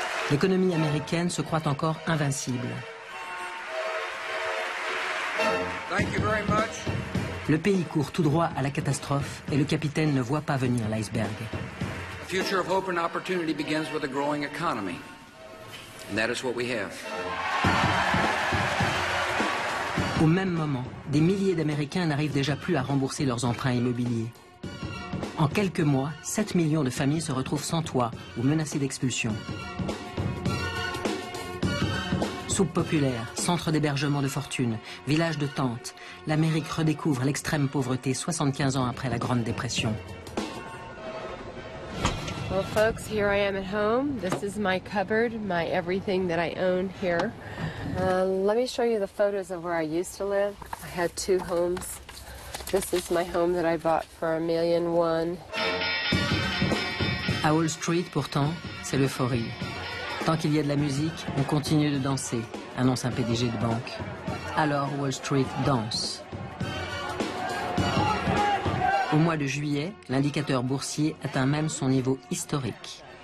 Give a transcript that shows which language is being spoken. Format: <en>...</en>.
<fr>L'économie américaine se croit encore invincible.</fr> <en>Thank you very much.</en> <fr>Le pays court tout droit à la catastrophe et le capitaine ne voit pas venir l'iceberg.</fr> <en>The future of hope and opportunity begins with a growing economy. And that is what we have.</en> <fr>Au même moment, des milliers d'Américains n'arrivent déjà plus à rembourser leurs emprunts immobiliers. En quelques mois, 7 millions de familles se retrouvent sans toit ou menacées d'expulsion. Soupes populaires, centres d'hébergement de fortune, villages de tentes, l'Amérique redécouvre l'extrême pauvreté 75 ans après la Grande Dépression.</fr> <en>Well, folks, here I am at home. This is my cupboard, my everything that I own here. Let me show you the photos of where I used to live. I had two homes. This is my home that I bought for $1.1 million.</en> <fr>À Wall Street, pourtant, c'est l'euphorie. Tant qu'il y a de la musique, on continue de danser, annonce un PDG de banque. Alors, Wall Street danse. Au mois de juillet, l'indicateur boursier atteint même son niveau historique.</fr>